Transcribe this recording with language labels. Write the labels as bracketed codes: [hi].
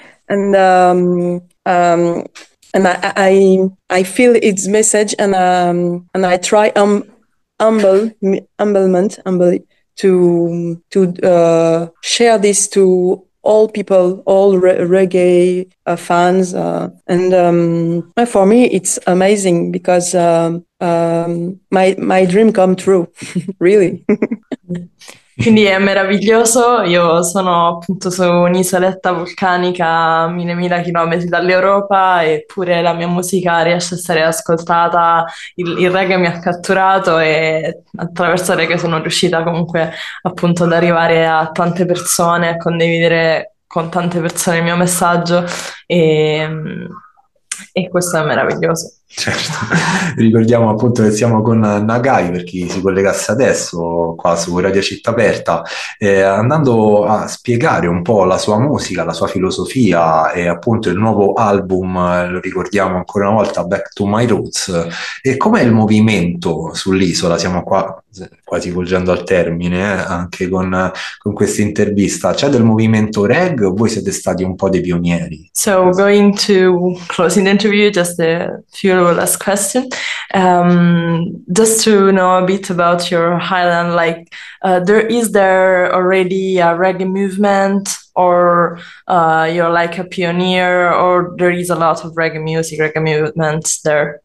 [en] and I feel its message, and I try humbly to share this to all people, all reggae fans, and for me it's amazing because my dream come true, really. [it] Quindi è meraviglioso, io sono appunto su un'isoletta vulcanica a 1.000 km dall'Europa, eppure la mia musica riesce a essere ascoltata, il reggae mi ha catturato e attraverso il reggae sono riuscita comunque appunto ad arrivare a tante persone, a condividere con tante persone il mio messaggio e questo è meraviglioso. Certo, ricordiamo appunto che siamo con Nagai, per chi si collegasse adesso qua su Radio Città Aperta, andando a spiegare un po' la sua musica, la sua filosofia e appunto il nuovo album, lo ricordiamo ancora una volta, Back to My Roots. E com'è il movimento sull'isola? Siamo qua quasi volgendo al termine, anche con questa intervista. C'è del movimento reg o voi siete stati un po' dei pionieri? [en] So, going to closing the interview, just a few last questions. Just to know a bit about your Highland, is there already a reggae movement, or you're like a pioneer, or there is a lot of reggae music, reggae movements there?